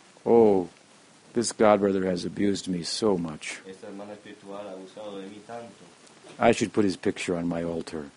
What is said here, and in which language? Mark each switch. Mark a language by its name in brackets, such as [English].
[English] oh, this godbrother has abused me so much. [Spanish] Esta hermana espiritual ha usado de mí tanto. [English] I should put his picture on my altar.